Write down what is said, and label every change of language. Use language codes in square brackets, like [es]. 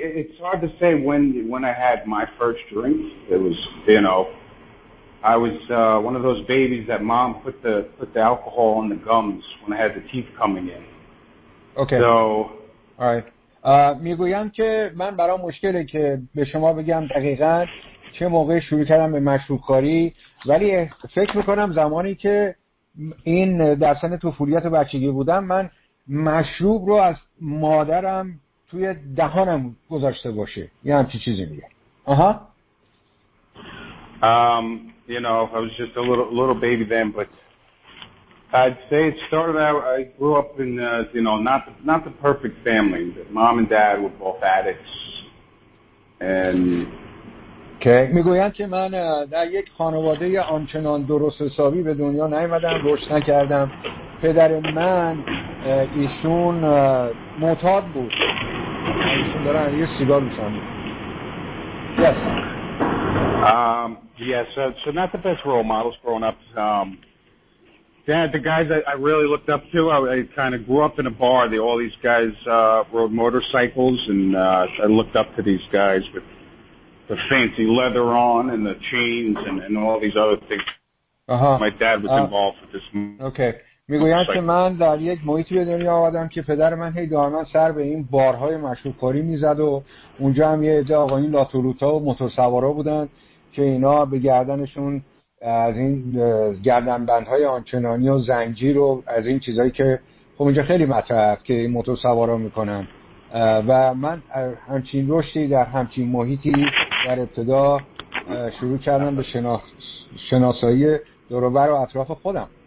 [en] It's hard to say when I had my first drink. It was, you know, I was one of those babies that mom put the alcohol on the gums when I had the teeth coming in. Okay. So. All right. [fa] میگویم که من برای مشکلی که به شما بگم دقیقا چه موقع شروع کردم به مشروبکاری، ولی فکر میکنم زمانی که این در سن طفولیت و بچگی بودم من مشروب رو از مادرم توی دهانم گذاشته باشه، یه همچی چیزی میگه. آها. [en] You know, I was just a little baby then, but I'd say it started out, I grew up in, you know, not the perfect family. Mom and dad were both addicts. And okay. [fa] میگویند که من در یک خانواده آنچنان درست حسابی به دنیا نیومدم، رشد نکردم. پدر من ایشون معتاد بود. ایشون دارن یه سیگار میکشند. [en] Yes. Yes, so not the best role models growing up. Dad, the guys that I really looked up to, I kind of grew up in a bar. All these guys rode motorcycles, and I looked up to these guys with the fancy leather on and the chains and all these other things. Uh-huh. My dad was involved with this. Okay. [fa] میگویند که من در یک محیطی به دنیا آمدم که پدر من هی دائما سر به این بارهای مشروبخوری میزد، و اونجا هم یه عده آقایین لاتولوتا و موتورسوارا بودن که اینا به گردنشون از این گردنبند های آنچنانی و زنجیر و از این چیزایی که خب اینجا خیلی مطرح است که این موتور سوارا میکنن، و من همچین رشدی در همچین محیطی در ابتدا شروع کردم به شناسایی دوروبر و اطراف خودم.